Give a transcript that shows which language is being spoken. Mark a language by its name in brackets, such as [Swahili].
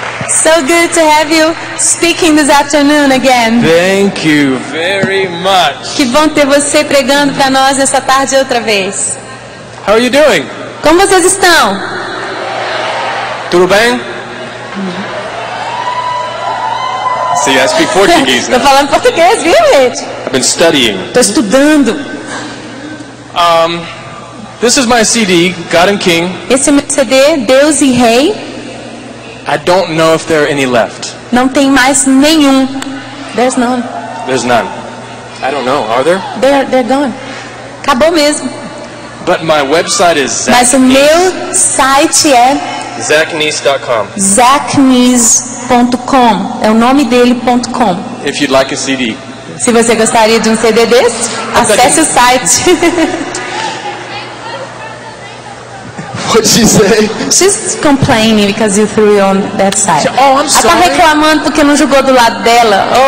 [English] So good to have you speaking this afternoon again. Thank you very much. [Portuguese] Que bom ter você pregando para nós nesta tarde outra vez. [English] How are you doing? [Portuguese] Como vocês estão? Tudo bem? [English] See, I speak Portuguese. [Portuguese] Estou falando português, viu, gente? [English] I've been studying. [Portuguese] Estou estudando. [English] This is my CD, God and King. [Portuguese] Esse é meu CD, Deus e Rei. [English] I don't know if there are any left. [Portuguese] Não tem mais nenhum. [English] There's none. There's none. I don't know. Are there? They're gone. [Portuguese] Acabou mesmo. [English] But my website is Zach [Portuguese] Neese. Mas o meu site é [English] zachneese.com. [Portuguese] zachneese.com. É o nome dele.com. [English] If you'd like a CD. [Portuguese] Se você gostaria de CD desse, acesse o site. [English] What'd she say? She's complaining because you threw on that side. Oh, I'm sorry. [Portuguese] Ela tá reclamando porque não jogou do lado dela.